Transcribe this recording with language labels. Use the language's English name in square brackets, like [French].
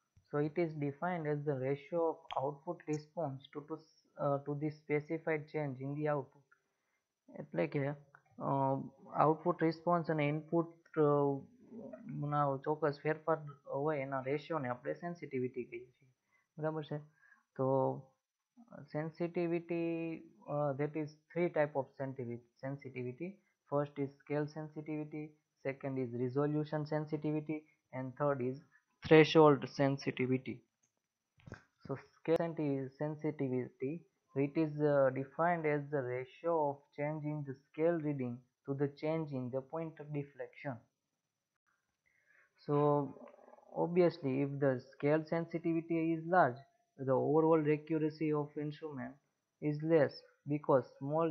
[English] So it is defined as the ratio of output response to the specified change in the output. [Gujarati] એટલે કે output response અને input ના ચોક્કસ ફેરફાર હોય એના રેશિયોને આપણે સેન્સિટિવિટી કહીએ છીએ. બરાબર છે? [English] તો sensitivity that is 3 type of sensitivity. First is scale sensitivity, second is resolution sensitivity, and third is threshold sensitivity. So scale sensitivity, it is defined as the ratio of change in the scale reading to the change in the point of deflection. So obviously if the scale sensitivity is large, the overall accuracy of instrument is less because small